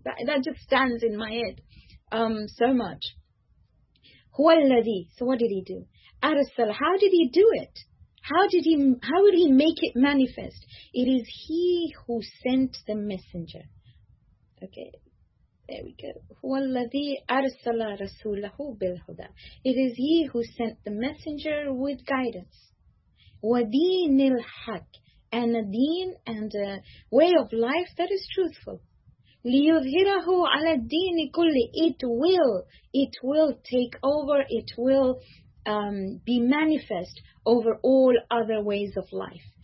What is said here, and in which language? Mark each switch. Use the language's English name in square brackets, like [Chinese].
[English] That just stands in my head so much. [Arabic] هو الذي, [English] so what did he do? [Arabic] أرسل, [English] how did he do it? How did he make it manifest? It is he who sent the messenger. Okay, there we go. [Arabic] هو الذي أرسل رسوله بالهدى. [English] It is he who sent the messenger with guidance. [Arabic] ودين الحق, [English] and a deen and a way of life that is truthful. [Arabic] لِيُظْهِرَهُ عَلَى الدِّينِ كُلِّ, [English] it will take over, it will be manifest over all other ways of life.